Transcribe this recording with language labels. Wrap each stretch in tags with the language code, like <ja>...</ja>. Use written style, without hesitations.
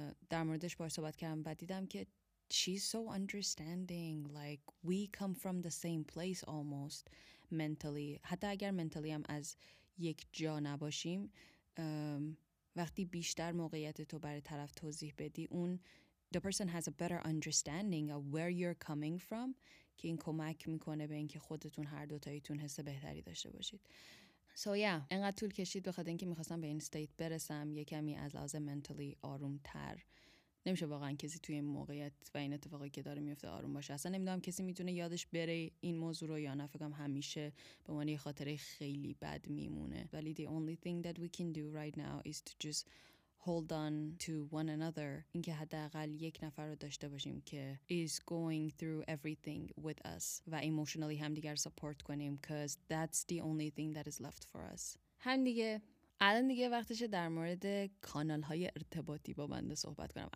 <fa>در موردش بار صحبت کردم و دیدم که</fa> <en>she's so understanding, like we come from the same place almost mentally.</en> <fa>حتی اگر mentally هم از یک جا نباشیم وقتی بیشتر موقعیت تو برای طرف توضیح بدی اون</fa> <en>the person has a better understanding of where you're coming from</en> <fa>که این کمک میکنه به اینکه خودتون هر دوتاییتون حس بهتری داشته باشید.</fa> <en>So yeah,</en> <fa>انقدر طول کشید بخاطر اینکه میخواستم به این استیت برسم یه کمی از لحاظ منتالی آرومتر. نمیشه واقعا کسی توی این موقعیت و این اتفاقی که داره میفته آروم باشه. اصلا نمیدونم کسی میتونه یادش بره این موضوع رو یا نه. فکرم همیشه به معنی خاطره خیلی بد میمونه.</fa> <en>ولی the only thing that we can do right now is to just hold on to one another.</en> <fa>این که حداقل یک نفر رو داشته باشیم که</fa> <en>is going through everything with us.</en> <fa>و emotionally هم دیگر support کنیم.</fa> <en>Because that's the only thing that is left for us.</en> <fa>هم دیگه. الان دیگه وقتشه در مورد کانال های ارتباطی با بنده صحبت کنم.</fa>